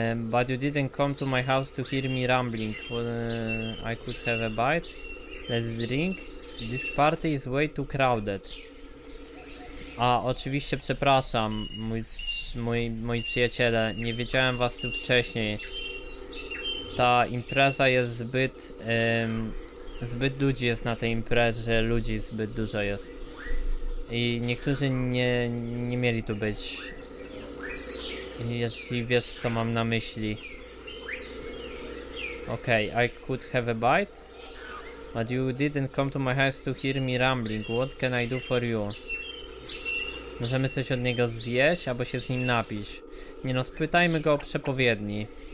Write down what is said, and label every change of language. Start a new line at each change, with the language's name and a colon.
English: But you didn't come to my house to hear me rambling. I could have a bite. Let's drink. This party is way too crowded.
Polish: A, oczywiście, przepraszam, mój przyjaciele, nie widziałem was tu wcześniej. Ta impreza jest zbyt... zbyt ludzi jest na tej imprezie, ludzi zbyt dużo jest. I niektórzy nie mieli tu być. Jeśli wiesz, co mam na myśli.
English: Okej, I could have a bite. But you didn't come to my house to hear me rambling. What can I do for you?
Polish: Możemy coś od niego zjeść, albo się z nim napić. Nie no, spytajmy go o przepowiedni.